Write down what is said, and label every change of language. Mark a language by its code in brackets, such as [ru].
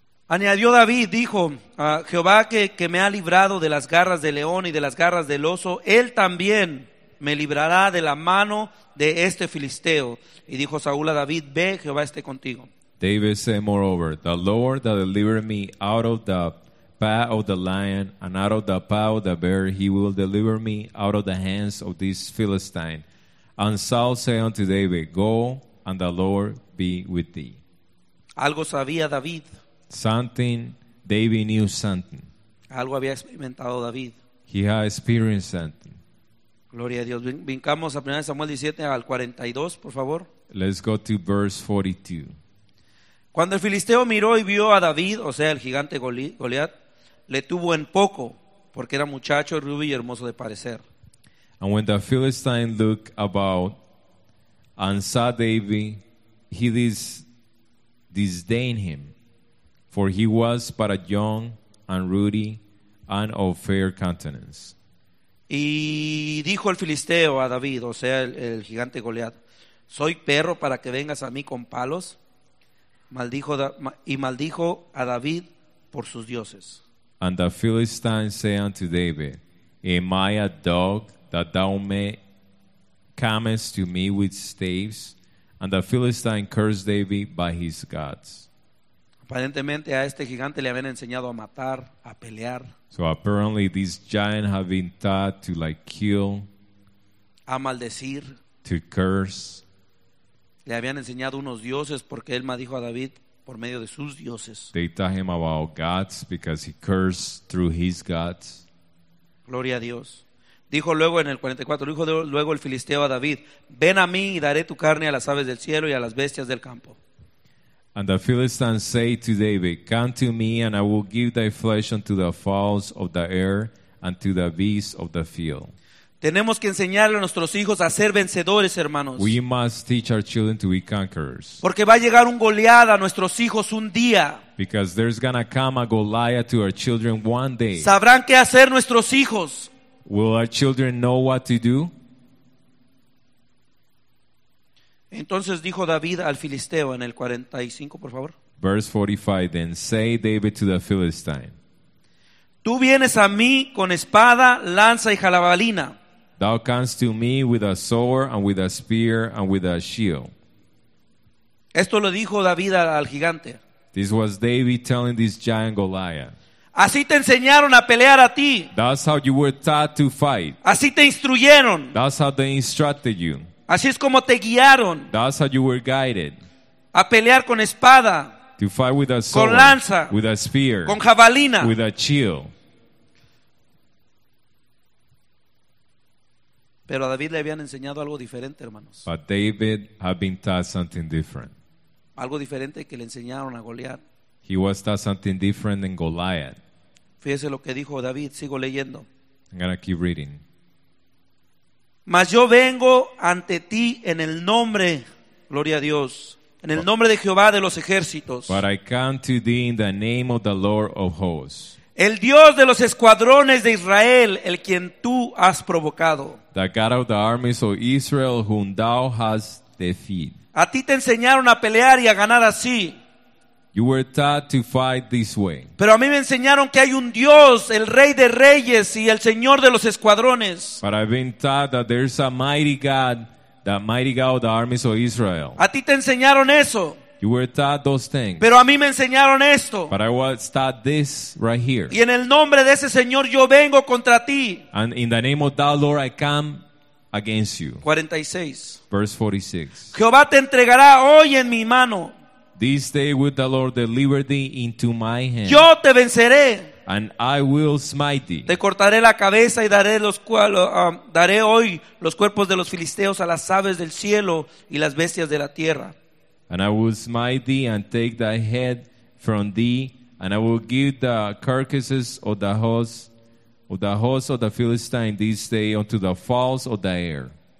[es] Añadió David, dijo, Jehová que me ha librado de las garras del león y de las garras del oso, él también me librará de la mano de este filisteo. Y dijo Saúl a David, ve, Jehová esté contigo. [en] David said, moreover, the Lord that delivered me out of the paw of the lion and out of the paw of the bear, he will deliver me out of the hands of this Philistine. And Saul said unto David, go, and the Lord be with thee. [es] Algo sabía David. [en] Something David knew something. [es] Algo había experimentado David. [en] He had experienced something. [es] Gloria a Dios. Vincamos a 1 Samuel 17 al 42, por favor. [en] Let's go to verse 42. [es] Cuando el filisteo miró y vio a David, o sea, el gigante Goliat, le tuvo en poco, porque era muchacho, rubio y hermoso de parecer. [en] And when the Philistine looked about and saw David, he disdained him. For he was but a young and ruddy and of fair countenance. [es] Y dijo el filisteo a David, o sea, el gigante Goliat, soy perro para que vengas a mí con palos. Maldijo a David por sus dioses. [en] And the Philistine said unto David, am I a dog that thou comest to me with staves? And the Philistine cursed David by his gods. [es] Aparentemente a este gigante le habían enseñado a matar, a pelear. [en] So apparently these giants have been taught to like kill, [es] a maldecir, [en] to curse. [es] Le habían enseñado unos dioses porque él me dijo a David por medio de sus dioses. [en] They taught him about gods because he cursed through his gods. [es] Gloria a Dios. Dijo luego en el 44, dijo luego el filisteo a David, ven a mí y daré tu carne a las aves del cielo y a las bestias del campo. [en] And the Philistines say to David, come to me and I will give thy flesh unto the fowls of the air and to the beasts of the field. [es] Tenemos que enseñarle a nuestros hijos a ser vencedores, hermanos. [en] We must teach our children to be conquerors. [es] Porque va a llegar un Goliat a nuestros hijos un día. [en] Because there's gonna come a Goliath to our children one day. [es] Sabrán qué hacer nuestros hijos. [en] Will our children know what to do? [es] Entonces dijo David al filisteo en el 45, por favor. [en] Verse 45, then say David to the Philistine. [es] Tú vienes a mí con espada, lanza y jabalina. [en] Thou comest to me with a sword and with a spear and with a shield. [es] Esto lo dijo David al gigante. [en] This was David telling this giant Goliath. [es] Así te enseñaron a pelear a ti. [en] That's how you were taught to fight. [es] Así te instruyeron. [en] That's how they instructed you. [es] Así es como te guiaron. [en] That's how you were guided. [es] A pelear con espada. [en] To fight with a sword. [es] Con lanza. [en] With a spear. [es] Con jabalina. [en] With a shield. [es] Pero a David le habían enseñado algo diferente, hermanos. [en] But David had been taught something different. [es] Algo diferente que le enseñaron a Goliat. [en] He was taught something different than Goliath. [es] Fíjese lo que dijo David, sigo leyendo. [en] I'm going to keep reading. [es] Mas yo vengo ante ti en el nombre, gloria a Dios, en el nombre de Jehová de los ejércitos. [en] But I come to thee in the name of the Lord of hosts. [es] El Dios de los escuadrones de Israel, el quien tú has provocado. [en] The God of the armies of Israel, whom thou hast defeated. [es] A ti te enseñaron a pelear y a ganar así. [en] You were taught to fight this way. [es] Pero a mí me enseñaron que hay un Dios, el Rey de Reyes y el Señor de los Escuadrones. [en] But I've been taught that there's a mighty God of the armies of Israel. [es] A ti te enseñaron eso. [en] You were taught those things. [es] Pero a mí me enseñaron esto. [en] But I was taught this right here. [es] Y en el nombre de ese Señor yo vengo contra ti. [en] And in the name of that Lord I come against you. [es] 46. [en] Verse 46. [es] Jehová te entregará hoy en mi mano. [en] This day will the Lord deliver thee into my hand. [es] Yo te venceré. [en] And I will smite thee. [es] Te cortaré la cabeza y daré hoy los cuerpos de los filisteos a las aves del cielo y las bestias de la tierra. [en] And I will smite thee and take thy head from thee, and I will give the carcasses of the host of the Philistine this day unto the fowls of the air.